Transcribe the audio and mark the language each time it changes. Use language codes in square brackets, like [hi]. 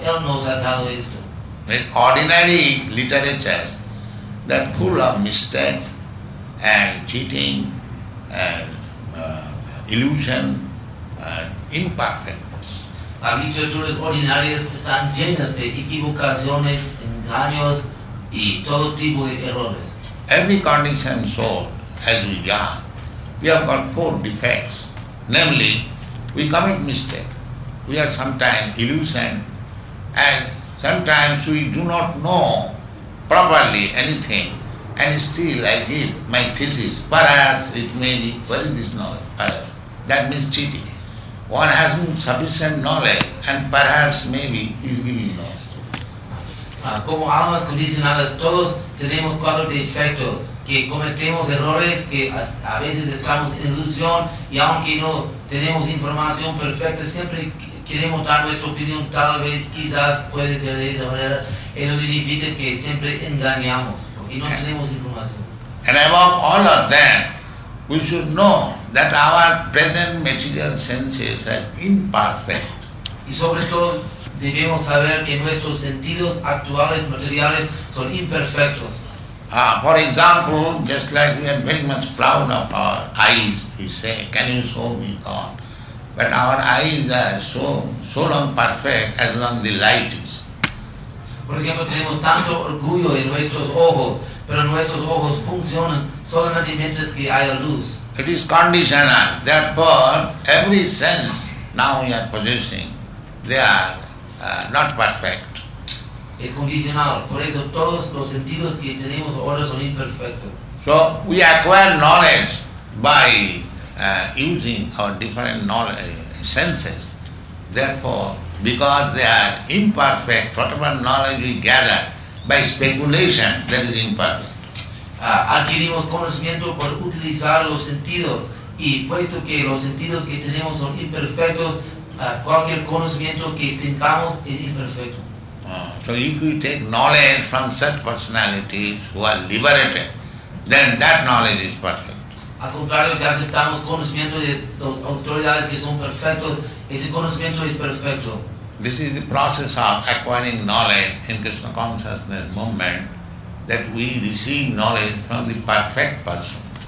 [es] Él nos ha dado esto. [en] The ordinary literature, that full of mistakes and cheating and illusion and imperfectness. [es] Las literaturas ordinarias están llenas de equivocaciones, engaños y todo tipo de errores. [en] Every conditioned soul, as we are, we have got four defects. Namely, we commit mistake, we are sometimes illusion, and sometimes we do not know properly anything, and still I give my thesis, perhaps it may be, what is this knowledge, perhaps, that means cheating. One has sufficient knowledge, and perhaps, maybe, he is giving knowledge. [es] Como almas condicionadas, todos tenemos cuatro defectos, que cometemos errores, que a veces estamos en ilusión, y aunque no tenemos información perfecta, siempre queremos dar nuestra opinión, tal vez, quizás, puede ser de esa manera. Eso significa que siempre engañamos y no tenemos información. [en] And above all of that, we should know that our present material senses are imperfect. [es] Y sobre todo debemos saber que nuestros sentidos actuales materiales son imperfectos. [en] For example, just like we are very much proud of our eyes, we say, can you show me God? But our eyes are so long perfect as long as the light is. [es] Por ejemplo, tenemos tanto orgullo en nuestros ojos, pero nuestros ojos funcionan solamente mientras que hay luz. [en] It is conditional. Therefore, every sense now we are possessing, they are not perfect. [es] Es condicional. Por eso todos los sentidos que tenemos ahora son imperfectos. [en] So, we acquire knowledge by using our different knowledge, senses. Therefore, because they are imperfect, whatever knowledge we gather by speculation, that is imperfect. [es] Adquirimos conocimiento por utilizar los sentidos, y puesto que los sentidos que tenemos son imperfectos, cualquier conocimiento que tengamos es imperfecto. [en] So if you take knowledge from such personalities who are liberated, then that knowledge is perfect. [es] Al contrario, si aceptamos conocimiento de las autoridades que son perfectos, ese conocimiento es perfecto. [en] This is the process of acquiring knowledge in Krishna consciousness movement, that we receive knowledge from the perfect person.